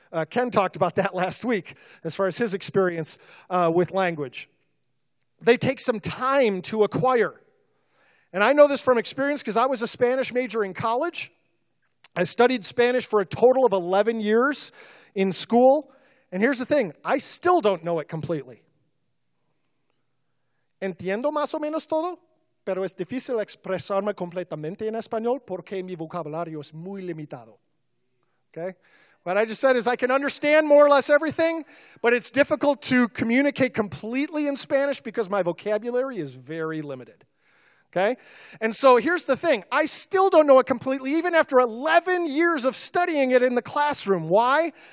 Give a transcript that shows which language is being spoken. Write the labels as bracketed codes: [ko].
[en] Ken talked about that last week as far as his experience with language. They take some time to acquire. And I know this from experience because I was a Spanish major in college. I studied Spanish for a total of 11 years in school. And here's the thing, I still don't know it completely. [es] Entiendo más o menos todo, pero es difícil expresarme completamente en español porque mi vocabulario es muy limitado. [en] Okay? What I just said is I can understand more or less everything, but it's difficult to communicate completely in Spanish because my vocabulary is very limited. Okay? And so here's the thing, I still don't know it completely, even after 11 years of studying it in the classroom. Why?